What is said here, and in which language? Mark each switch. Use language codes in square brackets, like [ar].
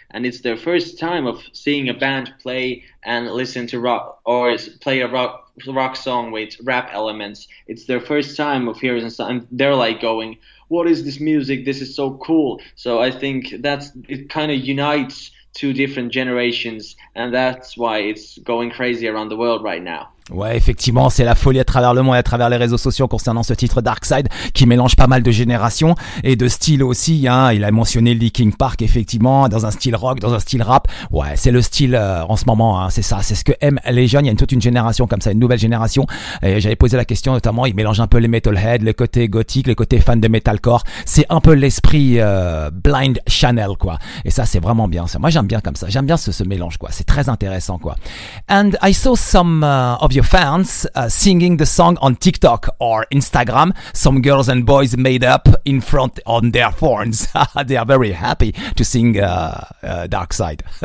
[en] And it's their first time of seeing a band play and listen to rock or play a rock song with rap elements. It's their first time of hearing something. And they're like going, what is this music? This is so cool. So I think that's it kind of unites two different generations, and that's why it's going crazy around the world right now. [fr] Ouais, effectivement, c'est la folie à travers le monde et à travers les réseaux sociaux concernant ce titre Darkside qui mélange pas mal de générations et de styles aussi, hein. Il a mentionné Linkin Park, effectivement, dans un style rock, dans un style rap. Ouais, c'est le style en ce moment, hein. C'est ça, c'est ce que aiment les jeunes. Il y a toute une génération comme ça, une nouvelle génération. Et j'avais posé la question, notamment, il mélange un peu les metalhead, le côté gothique, le côté fan de metalcore. C'est un peu l'esprit Blind Channel, quoi. Et ça, c'est vraiment bien. Ça, moi, j'aime bien comme ça. J'aime bien ce mélange, quoi. C'est très intéressant, quoi. [en] And I saw some of your fans singing the song on TikTok or Instagram. Some girls and boys made up in front on their phones. They are very happy to sing Darkside.